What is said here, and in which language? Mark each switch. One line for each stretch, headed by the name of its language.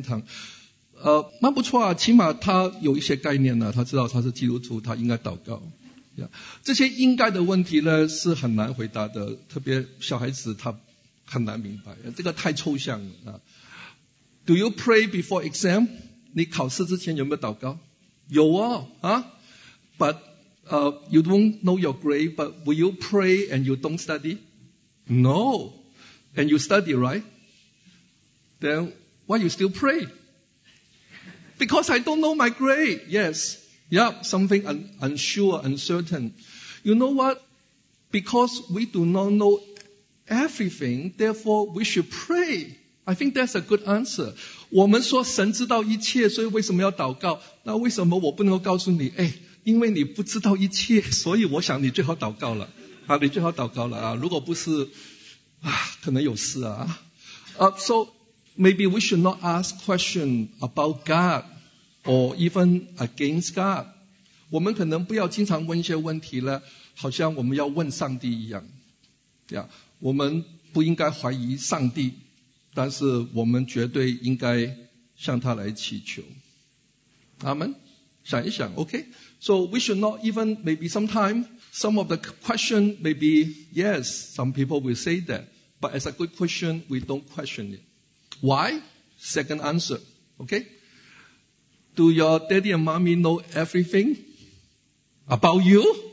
Chinese: 如果你是基督徒，你祷告，你知道你上天堂。蛮不错啊，起码他有一些概念了，他知道他是基督徒，他应该祷告。这些应该的问题呢，是很难回答的，特别小孩子他。很难明白，这个太抽象了。
English: Do you pray before exam?
Chinese: 你考试之前有没有祷告？有哦，啊。
English: But, you don't know your grade, but will you pray and you don't study? No. And you study, right? Then, why you still pray? Because I don't know my grade. Yes. Yup, something unsure, uncertain. You know what? Because we do not knowEverything, therefore we should pray. I think that's a good answer.
Chinese: 我们说神知道一切，所以为什么要祷告？那为什么我不能够告诉你？哎，因为你不知道一切，所以我想你最好祷告了。啊，你最好祷告了啊！如果不是，啊，可能有事啊。
English: So maybe we should not ask question about God or even against God.
Chinese: 我们可能不要经常问一些问题了，好像我们要问上帝一样，对啊。我们不应该怀疑上帝，但是我们绝对应该向他来祈求。阿们，想一想 ，OK?
English: So we should not even maybe sometime some of the question maybe yes some people will say that, but as a good question we don't question it. Why? Second answer, OK? Do your daddy and mommy know everything about you?